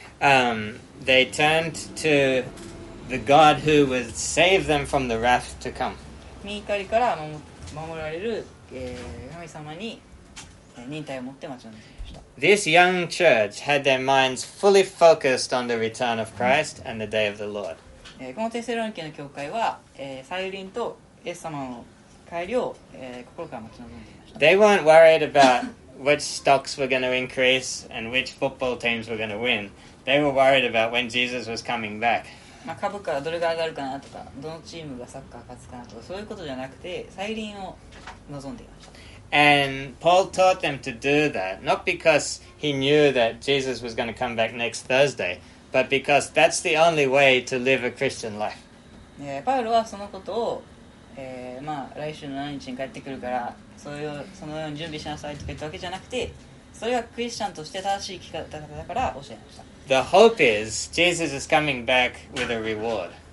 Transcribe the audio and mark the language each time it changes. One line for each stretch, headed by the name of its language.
English: They turned to the God who would save them from the wrath to come.
Japanese: 身怒りから守られる、神様に、忍耐を持って待ちました。
English: This young church had their minds fully focused on the return of Christ and the day of the Lord.
Japanese: このテセロニケの教会は、再臨とイエス様の帰りを、心から待ち望んでいました。
English: They weren't worried about which stocks were going to increase and which football teams were going to win. They were worried about when Jesus was coming back.
Japanese: まあ株価どれが上がるかなとか、どのチームがサッカー勝つかなとか、そういうことじゃなくて、再臨を望んでいました。
English: And Paul taught them to do that, not because he knew that Jesus was going to come back next Thursday, but because that's the only way to live a Christian life.
Japanese: パウロはそのことを、まあ来週の何日に帰ってくるから、そのように準備しなさいとか言ったわけじゃなくて、それがクリスチャンとして正しい生き方だから教えました。
English: The hope is Jesus is coming back with a reward.